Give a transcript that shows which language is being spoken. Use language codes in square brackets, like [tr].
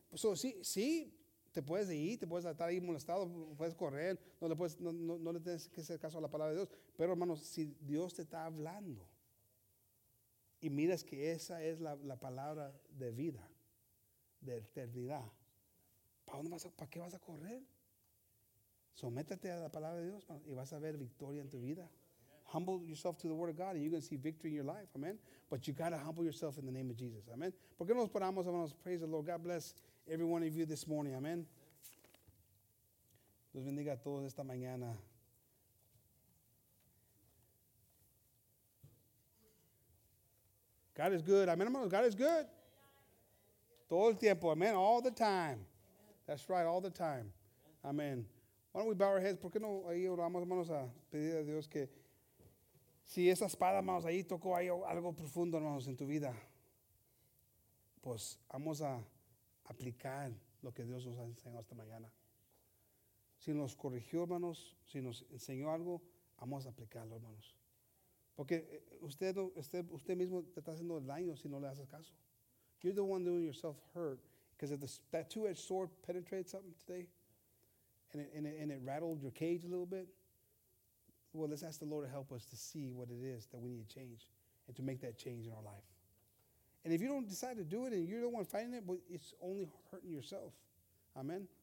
[es] So, sí, te puedes ir, te puedes estar ahí molestado, puedes correr, no le tienes que hacer caso a la palabra de Dios. Pero, hermanos, si Dios te está hablando y miras que esa es la palabra de vida, de eternidad, ¿para qué vas a correr? Sométete a la palabra de Dios, hermanos, y vas a ver victoria en tu vida. [en] Humble yourself to the word of God and you're going to see victory in your life. Amen. But you got to humble yourself in the name of Jesus. Amen. [es] ¿Por qué nos paramos, hermanos? [en] Praise the Lord. God bless every one of you this morning. Amen. [es] Dios bendiga a todos esta mañana. [en] God is good. Amen, hermanos. God is good. [es] Todo el tiempo. [en] Amen. All the time. That's right. All the time. Amen. Why don't we bow our heads? [es] ¿Por qué no ahí oramos, hermanos, a pedir a Dios que si esa espada, hermanos, ahí tocó ahí algo profundo, hermanos, en tu vida, pues vamos a aplicar lo que Dios nos ha enseñado esta mañana. Si nos corrigió, hermanos, si nos enseñó algo, vamos a aplicarlo, hermanos. Porque usted mismo te está haciendo daño si no le haces caso. [en] You're the one doing yourself hurt. Because if that two-edged sword penetrated something today, and it rattled your cage a little bit, well, let's ask the Lord to help us to see what it is that we need to change and to make that change in our life. And if you don't decide to do it and you're the one fighting it, well, it's only hurting yourself. Amen?